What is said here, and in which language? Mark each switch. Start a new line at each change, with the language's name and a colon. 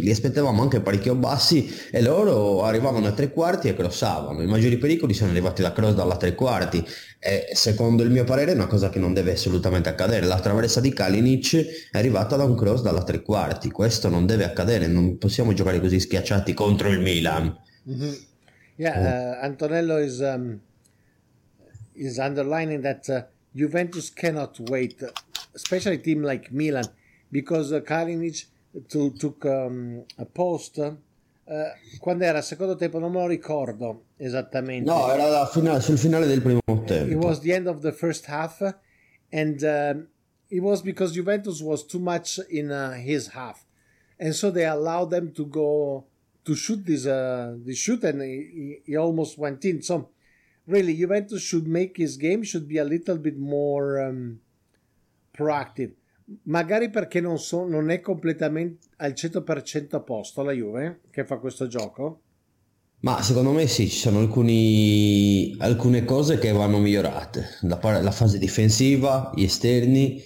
Italian: Li aspettavamo anche parecchio bassi e loro arrivavano a tre quarti e crossavano. I maggiori pericoli sono arrivati da cross dalla tre quarti. E secondo il mio parere è una cosa che non deve assolutamente accadere. La traversa di Kalinic è arrivata da un cross dalla tre quarti. Questo non deve accadere, non possiamo giocare così schiacciati contro il Milan. Mm-hmm.
English: Yeah, Antonello is underlining that Juventus cannot wait, especially a team like Milan, because Kalinic took a post.
Italian: Quando era secondo tempo, non me lo ricordo esattamente. No, era sul finale del primo tempo.
English: It was the end of the first half, and it was because Juventus was too much in his half, and so they allowed them to go to shoot this shoot, and he almost went in. So really, Juventus should make his game should be a little bit more proactive,
Italian: magari perché non è completamente al 100% a posto la Juve che fa questo gioco. Ma secondo me sì, ci sono alcune cose che vanno migliorate, la fase difensiva, gli esterni